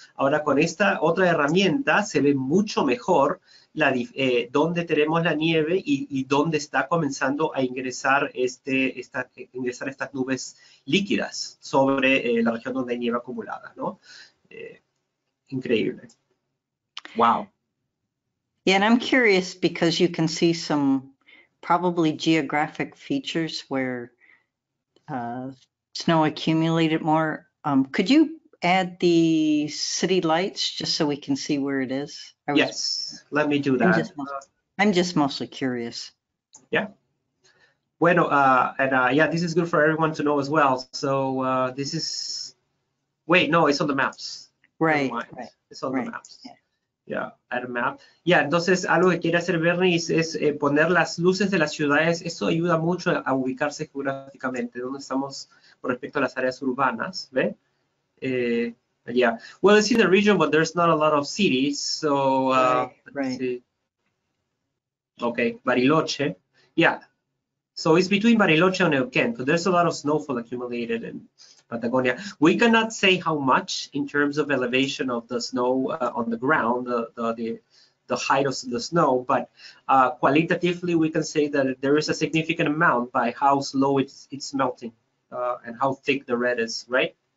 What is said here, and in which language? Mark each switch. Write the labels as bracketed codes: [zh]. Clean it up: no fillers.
[es] Ahora con esta otra herramienta se ve mucho mejor la, donde tenemos la nieve y dónde está comenzando a ingresar este, esta, ingresar estas nubes líquidas sobre la región donde hay nieve acumulada, ¿no? Increíble. Wow. [en] Yeah, and I'm curious because you can see some probably geographic features where snow accumulated more. Could you add the city lights just so we can see where it is? Yes, let me do that. I'm just mostly curious. Yeah. Bueno, and yeah, this is good for everyone to know as well. So this is, wait, no, it's on the maps. Right. It's on the maps. Yeah, add a map. [es] Yeah, entonces algo que quiere hacer Bernie es poner las luces de las ciudades. Eso ayuda mucho a ubicarse geográficamente, donde estamos con respecto a las áreas urbanas, ¿ve? [en] Yeah, well, it's in the region, but there's not a lot of cities, so okay, Bariloche, yeah, so it's between Bariloche and Neuquén, but there's a lot of snowfall accumulated in Patagonia. We cannot say how much in terms of elevation of the snow on the ground, the height of the snow, but qualitatively we can say that there is a significant amount by how slow it's melting and how thick the red is, right?